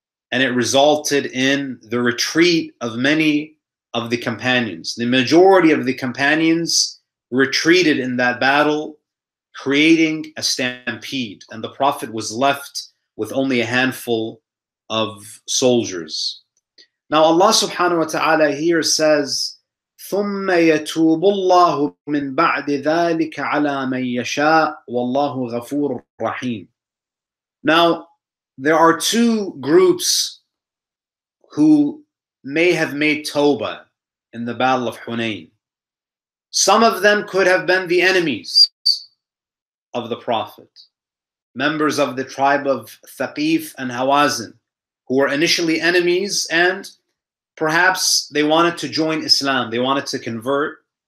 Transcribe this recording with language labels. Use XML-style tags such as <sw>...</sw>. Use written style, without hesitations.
<en>And it resulted in the retreat of many of the companions. The majority of the companions retreated in that battle, creating a stampede. And the Prophet was left with only a handful of soldiers. Now Allah subhanahu wa ta'ala here says,</en> <ar>ثُمَّ يَتُوبُ اللَّهُ مِنْ بَعْدِ ذَٰلِكَ عَلَىٰ مَنْ يَشَاءُ وَاللَّهُ غَفُورٌ رَحِيمٌ.</ar> <en>Now, there are two groups who may have made Tawbah in the Battle of Hunain. Some of them could have been the enemies of the Prophet, members of the tribe of Thaqif and Hawazin, who were initially enemies, and perhaps they wanted to join Islam, they wanted to convert.</en>